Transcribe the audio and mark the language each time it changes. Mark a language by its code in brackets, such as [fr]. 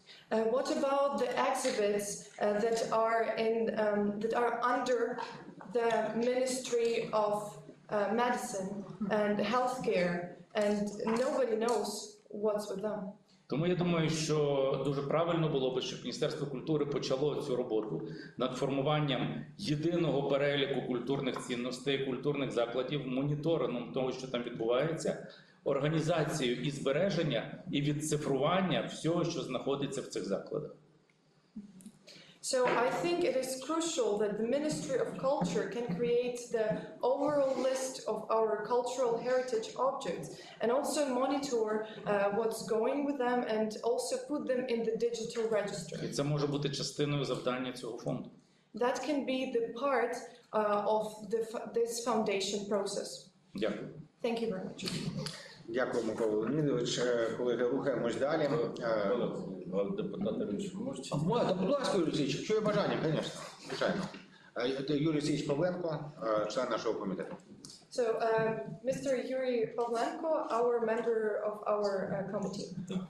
[en] What about the exhibits that are in that are under the Ministry of Medicine and Healthcare, and nobody knows what's with them? [uk] Тому я думаю, що дуже правильно було б, щоб Міністерство культури почало цю роботу над формуванням єдиного переліку культурних цінностей, культурних закладів, моніторингом того, що там відбувається, організацією і збереження, і відцифрування всього, що знаходиться в цих закладах. [en] So I think it is crucial that the Ministry of Culture can create the overall list of our cultural heritage objects and also monitor what's going with them and also put them in the digital register. [uk] І це може бути частиною завдання цього фонду. [en] That can be the part of this foundation process. [uk] Дякую. [en] Thank you very much. [uk] Дякую, Микола Леонідович. Колеги, рухаємось далі. Депутати, ви можете? Будь ласка, Юрій Олексійович, якщо є бажання, звісно. Юрий Сергеевич Павленко, член нашого комітету. [en] So, Mr. Юрій Павленко, our member of our committee.